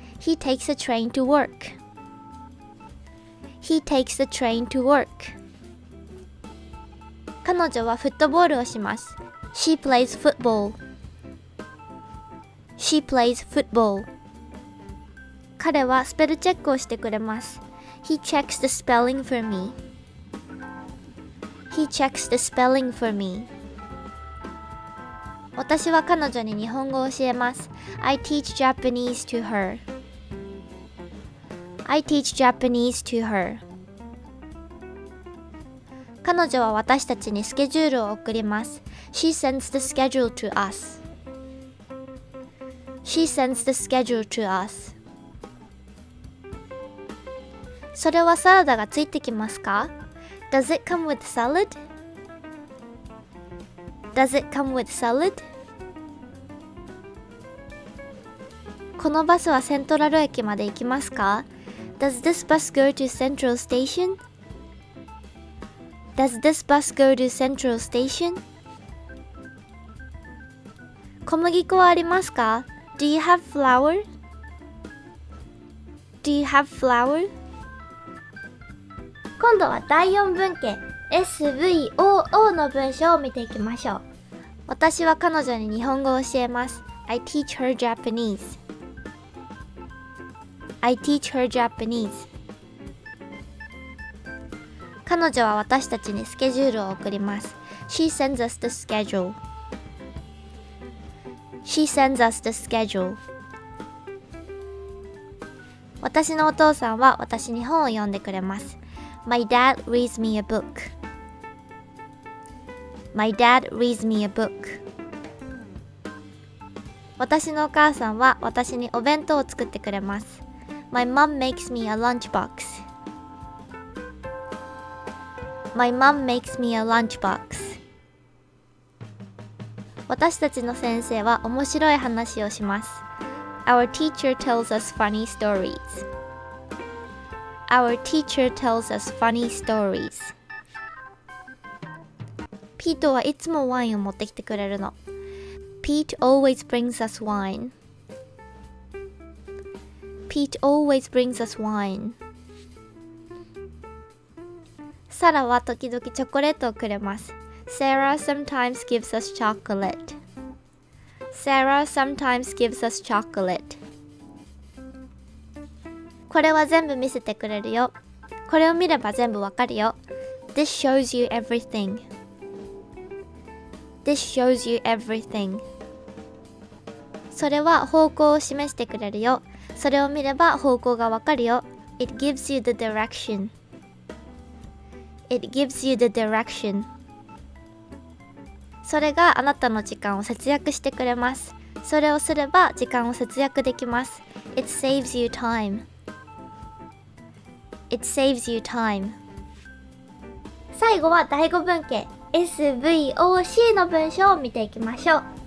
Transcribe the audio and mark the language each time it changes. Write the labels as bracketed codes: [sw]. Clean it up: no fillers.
[en] He takes a train to work. He takes a train to work. [ja] 彼女はフットボールをします。 [en] She plays football. She plays football. [ja] 彼はスペルチェックをしてくれます。 [en] He checks the spelling for me. He checks the spelling for me. [ja] 私は彼女に日本語を教えます。 [en] I teach Japanese to her. I teach Japanese to her. [ja] 彼女は私たちにスケジュールを送ります。 [en] She sends the schedule to us. She sends the schedule to us. [ja] それはサラダがついてきますか? [en] Does it come with salad? Does it come with salad? [ja] このバスはセントラル駅まで行きますか? [en] Does this bus go to Central Station? Does this bus go to Central Station? [ja] 小麦粉はありますか? [en] Do you have flour? Do you have flour? [ja] 今度は第4文型 SVOO の文章を見ていきましょう。私は彼女に日本語を教えます。 [en] I teach her Japanese. I teach her Japanese. [ja] 彼女は私たちにスケジュールを送ります。 [en] She sends us the schedule. She sends us the schedule. [ja] 私のお父さんは私に本を読んでくれます。 [en] My dad reads me a book. My dad reads me a book. [ja] 私のお母さんは私にお弁当を作ってくれます。 [en] My mom makes me a lunchbox. My mom makes me a lunchbox. [ja] 私たちの先生は面白い話をします。 [en] Our teacher tells us funny stories. Our teacher tells us funny stories. [ja] Pete はいつもワインを持ってきてくれるの。 [en] Pete always brings us wine. Pete always brings us wine. [ja] Sarah は時々チョコレートをくれます。 [en] Sarah sometimes gives us chocolate. Sarah sometimes gives us chocolate. [ja] これは全部見せてくれるよ。これを見れば全部わかるよ。 [en] This shows you everything. This shows you everything. [ja] それは方向を示してくれるよ。それを見れば方向がわかるよ。 [en] It gives you the direction. It gives you the direction. [ja] それがあなたの時間を節約してくれます。それをすれば時間を節約できます。 [en] It saves you time. It saves you time. [ja] 最後は第5文型 SVOC の文章を見ていきましょう。